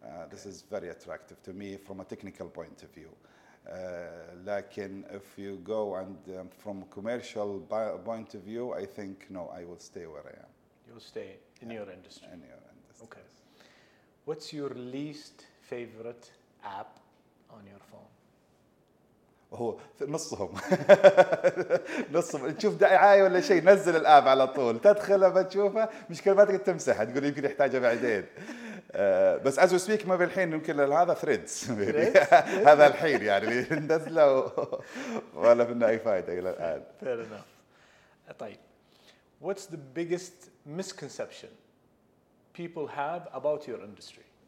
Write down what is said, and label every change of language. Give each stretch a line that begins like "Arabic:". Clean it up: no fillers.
English: This is very attractive to me from a technical point of view. لكن if you go and from commercial point of view, I think no, I will stay where I am. You'll stay in your industry. In your industry. Okay. What's your least favorite app on your phone?
Arabic: هو نصهم نصهم تشوف دعايه ولا شيء نزل الاب على طول تدخله بتشوفه مشكله ما تقدر تمسحه تقول يمكن يحتاجها بعدين بس
English: as we speak
Arabic: ما بالحين يمكن هذا threads هذا الحين يعني نزله ولا فينا اي فايده الى الان.
English: Fair enough. طيب what's the biggest misconception people have about your industry?